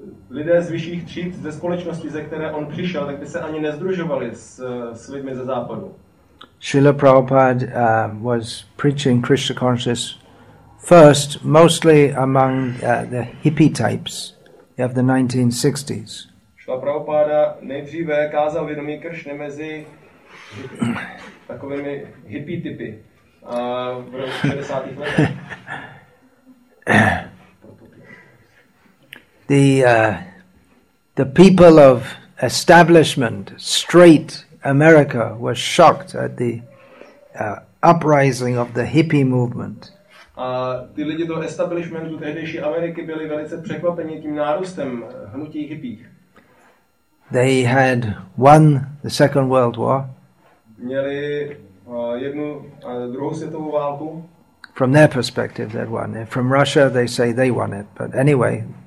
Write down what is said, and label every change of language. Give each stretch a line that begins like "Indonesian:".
Czech: Lidé z vyšších tříd ze společnosti, ze které on přišel, tak by se ani nezdružovali s lidmi ze západu.
English: Srila Prabhupada was preaching Krishna consciousness first mostly among the hippie types of the 1960s.
Czech: Srila Prabhupada nejdříve kázal vědomí Kršny mezi takovými hippie typy v roce 60. letech.
English: The people of establishment, straight America, were shocked at the uprising of the hippie movement.
Czech: A ty lidi do establishmentu tehdejší Ameriky byli velice překvapeni tím nárůstem hnutí hippích.
English: They had won the Second World War.
Czech: Měli jednu druhou světovou válku.
English: From their perspective, they'd won. From Russia, they say they won it. But anyway.